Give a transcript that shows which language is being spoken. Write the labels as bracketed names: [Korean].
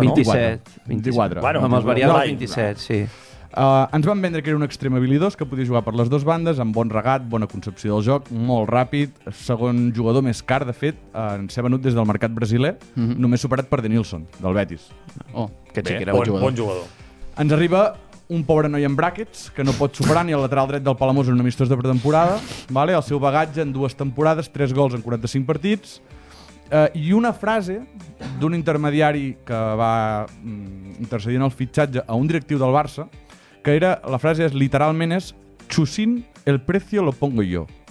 [Catalan] 27, no? 24. Bueno, amb els variables 27, sí. Ens van vendre que era un extrem habilidós, que podia jugar per les dues bandes, amb bon regat, bona concepció del joc, molt ràpid, segon jugador més car, de fet, en ser venut des del mercat brasiler, només superat per Denilson, del Betis. Oh, que xic, era bon jugador. Ens arriba un pobre noi amb bràquets, que no pot superar ni el lateral dret del Palamós en un amistós de pretemporada, vale? El seu bagatge en dues temporades, 3 gols en 45 partits, i una frase d'un intermediari que va intercedir en el fitxatge a un directiu del Barça, que era, la frase és literalment és [Spanish] "Chusin, el precio lo pongo yo".